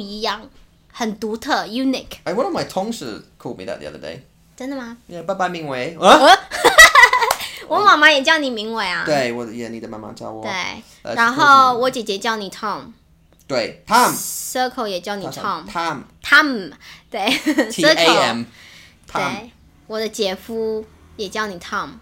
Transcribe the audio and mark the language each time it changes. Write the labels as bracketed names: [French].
[Chinese] 汤姆，汤姆，对啊，所以如果你的名字是叫明伟，还比较不一样，很独特 ，unique. [English] Hey, one of my tongues called me that the other day. [Chinese] 真的吗？ [English] Yeah, bye bye, 明伟. [Chinese] 我妈妈也叫你明伟啊。对，我，你的妈妈叫我。对，然后我姐姐叫你 Tom. 对 ，Tom. Circle 也叫你 Tom. [English] Tom. [Chinese] Tom. 对 [English] ，Circle. T-A-M. Tom. [Chinese] 对，我的姐夫。也叫你 Tom，